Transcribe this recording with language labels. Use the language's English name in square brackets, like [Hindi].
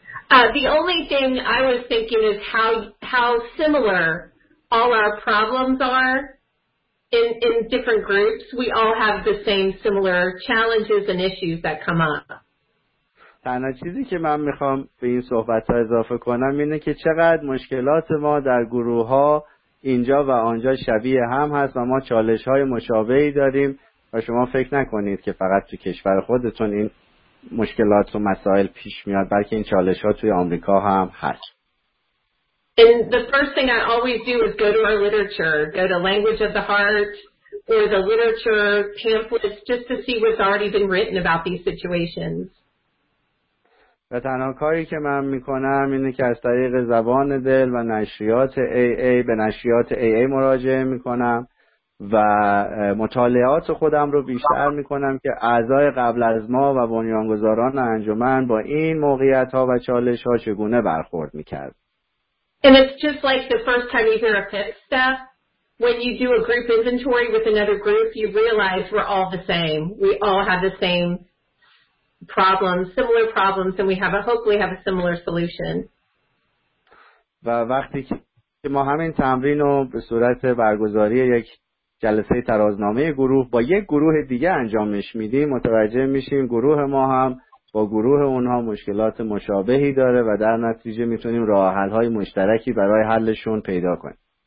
[English] The only thing I was thinking is how similar all our problems are in different groups. We all have the same similar challenges and issues that come up. [Persian] تنها چیزی که من میخوام به این صحبت‌ها اضافه کنم اینه که چقدر مشکلات ما در گروه‌ها اینجا و آنجا شبیه هم هست و ما چالش‌های مشابهی داریم و شما فکر نکنید که فقط تو کشور خودتون این مشکلات و مسائل پیش میاد، بلکه این چالش‌ها توی آمریکا هم هست. [English] And the first thing I always do is go to our literature, go to Language of the Heart or the literature pamphlets just to see what's already been written about these situations. [Persian] و تنها کاری که من میکنم اینه که از طریق زبان دل و نشریات AA به نشریات AA مراجعه میکنم و مطالعات خودم رو بیشتر میکنم که اعضای قبل از ما و بنیانگذاران انجمن با این موقعیت ها و چالش ها چگونه برخورد میکرد. [English] And it's just like the first time you hear a fifth step. When you do a group inventory with another group, you realize we're all the same. We all have the same problems, similar problems, and hopefully have a similar solution. [Persian] و وقتی که ما همین تمرین رو به صورت برگزاری یک جلسه ترازنامه گروه با یک گروه دیگه انجامش میدیم، متوجه میشیم گروه ما هم با گروه اونها مشکلات مشابهی داره و در نتیجه میتونیم راه حل های مشترکی برای حلشون پیدا کنیم.